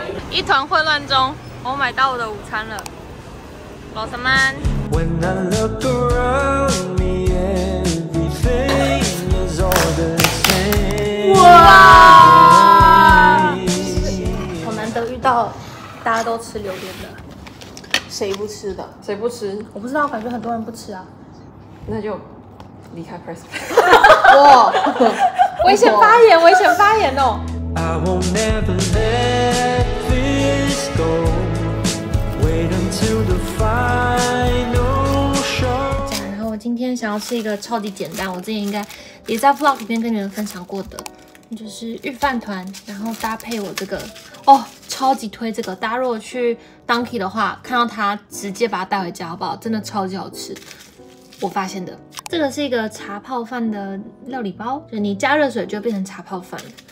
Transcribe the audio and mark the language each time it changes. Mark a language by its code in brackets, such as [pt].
[zh] 一团混乱中，我买到我的午餐了，老三们。 [en] When I look around me, everything is all the same. [zh] 哇！好难得遇到大家都吃榴莲的，谁不吃的？谁不吃？我不知道，感觉很多人不吃啊。那就离开 Press。哇！危险发言，危险发言哦。 [en] I will never let this go. Wait until the final show. [zh] 然后今天想要吃一个超级简单，我之前应该也在 vlog 里面跟你们分享过的，就是御饭团，然后搭配我这个，哦，超级推这个。大家如果去 Donkey 的话，看到它直接把它带回家好不好？真的超级好吃。我发现的，这个是一个茶泡饭的料理包，就你加热水就变成茶泡饭了。